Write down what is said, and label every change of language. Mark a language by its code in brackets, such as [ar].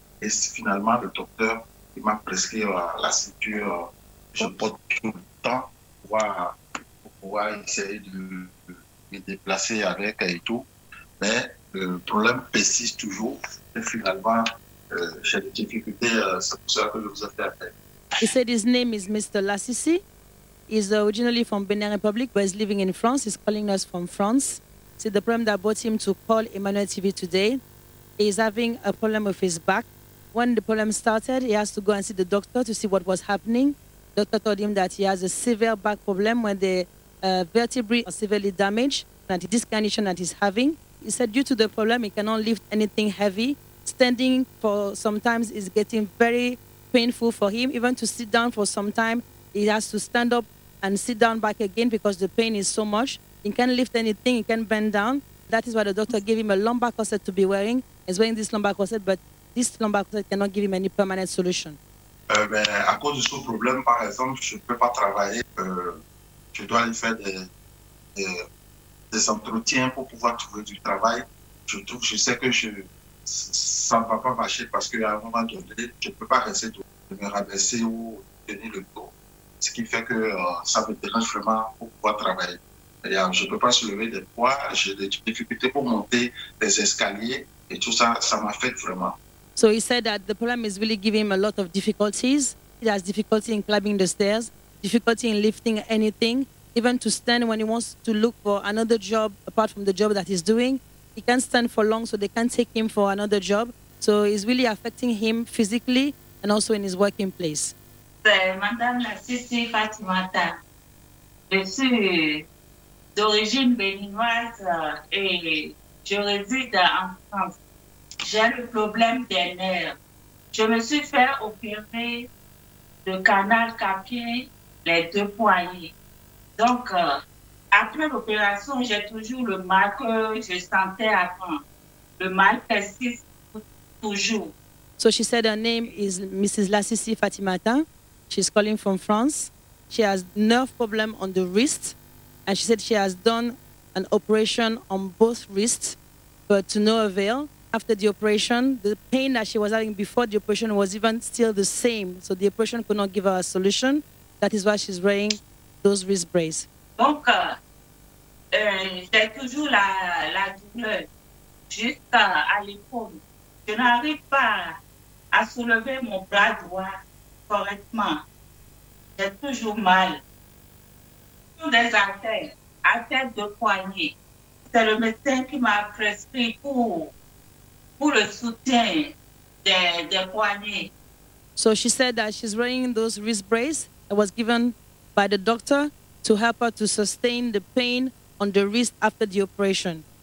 [fr] Et finalement, le docteur il m'a prescrit la ceinture que je porte tout le temps pour pouvoir essayer de me déplacer avec et tout. Mais le problème persiste toujours. Et finalement, j'ai des difficultés. C'est pour ça que je vous ai fait appel. [en] He said his name is Mr. Lassisi. He's originally from Benin Republic, but he's living in France. He's calling us from France. See, the problem that brought him to call Emmanuel TV today, he's having a problem with his back. When the problem started, he has to go and see the doctor to see what was happening. The doctor told him that he has a severe back problem when the vertebrae are severely damaged, and this condition that he's having. He said due to the problem, he cannot lift anything heavy. Standing for some time is getting very painful for him. Even to sit down for some time, he has to stand up and sit down back again because the pain is so much. He can't lift anything, he can't bend down. That is why the doctor gave him a lumbar corset to be wearing. He's wearing this lumbar corset, but this lumbar corset cannot give him any permanent solution. [fr] À cause de ce problème, par exemple, je ne peux pas travailler. Je dois aller faire des entretiens pour pouvoir trouver du travail. Je sais que ça ne va pas marcher parce qu'à un moment donné, je ne peux pas rester de me rabaisser ou tenir le dos. Ce qui fait que ça me dérange vraiment pour pouvoir travailler. C'est-à-dire, je ne peux pas soulever des poids, j'ai des difficultés pour monter des escaliers et tout ça, ça m'affecte vraiment. [en] So he said that the problem is really giving him a lot of difficulties. He has difficulty in climbing the stairs, difficulty in lifting anything, even to stand when he wants to look for another job apart from the job that he's doing. He can't stand for long, so they can't take him for another job. So it's really affecting him physically and also in his working place. [fr] Madame la Sissi Fatimata, je suis d'origine béninoise et je réside en France. J'ai le problème des nerfs. Je me suis fait opérer le canal carpien, les deux poignets. Donc, après l'opération, j'ai toujours le mal que je sentais avant. Le mal persiste toujours. [en] So she said her name is Mrs. Lassisi Fatimata. She's calling from France. She has nerve problem on the wrist. And she said she has done an operation on both wrists, but to no avail. After the operation, the pain that she was having before the operation was even still the same. So the operation could not give her a solution. That is why she's wearing those wrist braces. [fr] Donc, j'ai toujours la douleur, juste à l'épaule. Je n'arrive pas à soulever mon bras droit. Correctement. J'ai toujours mal. Toutes les artères de poignet. C'est le médecin qui m'a prescrit pour le soutien des poignets. [en] So she said that she's wearing those wrist braces that was given by the doctor to help her to sustain the pain on the wrist after the operation.